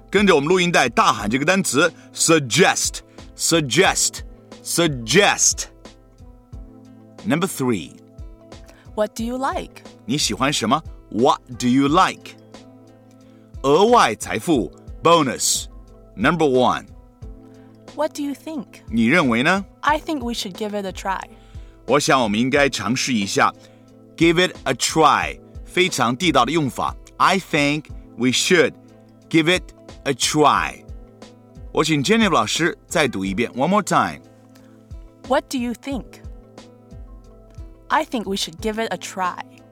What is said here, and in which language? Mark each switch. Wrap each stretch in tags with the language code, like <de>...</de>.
<zh>跟着我们录音带大喊这个单词 suggest, suggest, suggest.</zh> <en>Number three. What do you like?</en> <zh>你喜欢什么？</zh> <en>What do you like?</en> <zh>额外财富</zh> <en>bonus number one. What do you think?</en> <zh>你认为呢？</zh> <en>I think we should give it a try.</en> <zh>我想我们应该尝试一下。</zh> <en>Give it a try,</en> <zh>非常地道的用法。</zh> <en>I think we should give it a try.</en> <zh>我请 Jennifer 老师再读一遍</zh> <en>one more time. What do you think? I think we should give it a try.</en>